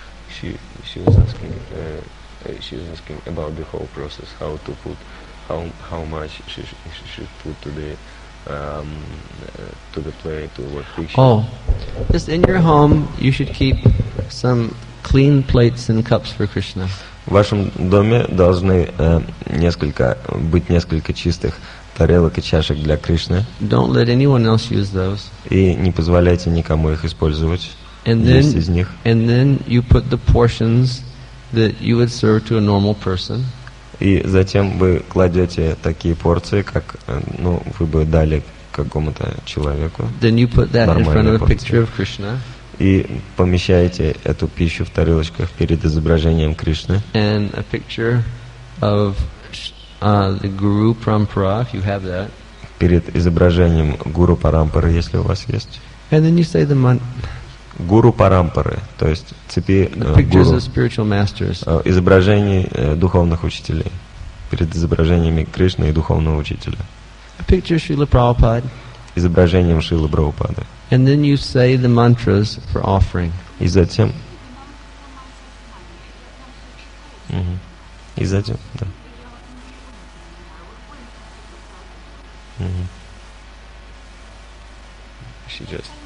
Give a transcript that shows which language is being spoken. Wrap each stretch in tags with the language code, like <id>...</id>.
<en>She was asking about the whole process, how to put, how much she should put to the to the plate, to what fish. Oh, just in your home, you should keep some clean plates and cups for Krishna.</en> <ru>В вашем доме должны несколько чистых тарелок и чашек для Кришны.</ru> <en>Don't let anyone else use those.</en> <ru>И не позволяйте никому их использовать.</ru> <en>And then,</en> <ru>есть из них.</ru> <en>And then you put the portions that you would serve to a normal person.</en> <ru>И затем вы кладете такие порции, как ну вы бы дали какому-то человеку.</ru> <en>Then you put that in front of a picture of Krishna.</en> <ru>И помещаете эту пищу в тарелочках перед изображением Кришны.</ru> <en>And a picture of the Guru Parampara, if you have that.</en> <ru>Перед изображением Гуру Парампары, если у вас есть.</ru> <en>And then you say the mantra.</en> <ru>Гуру Парампары, то есть цепи гуру, изображение духовных учителей, перед изображениями Кришны и духовного учителя,</ru> <en>a picture of Srila Prabhupada,</en> <ru>изображением Шрилы Прабхупады,</ru> <en>and then you say the mantras for offering.</en> <ru>И затем, и затем, да. Сейчас.</ru>